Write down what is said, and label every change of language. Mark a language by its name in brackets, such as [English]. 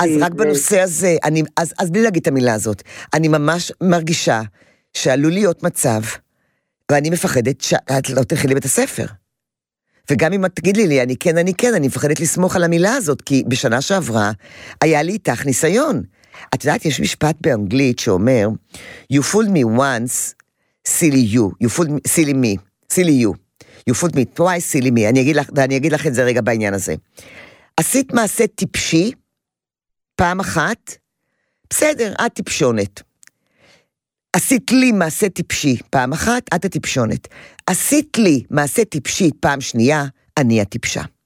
[Hebrew] אז רק בנושא הזה, אני, אז בלי להגיד את המילה הזאת, אני ממש מרגישה שעלול להיות מצב, ואני מפחדת שאת לא תלכי לבית הספר. וגם אם את תגיד לי, אני כן, אני כן, אני מפחדת לסמוך על המילה הזאת, כי בשנה שעברה היה לי איתך ניסיון. את יודעת, יש משפט באנגלית שאומר, [English] you fooled me once, silly you. You fooled me, silly me, silly you. You fooled me twice, silly me. [Hebrew] אני אגיד לך את זה רגע בעניין הזה. עשית מעשה טיפשי, פעם אחת, בסדר, את טיפשונת. עשית לי מעשה טיפשי, פעם אחת, את הטיפשונת. עשית לי מעשה טיפשי, פעם שנייה, אני הטיפשה.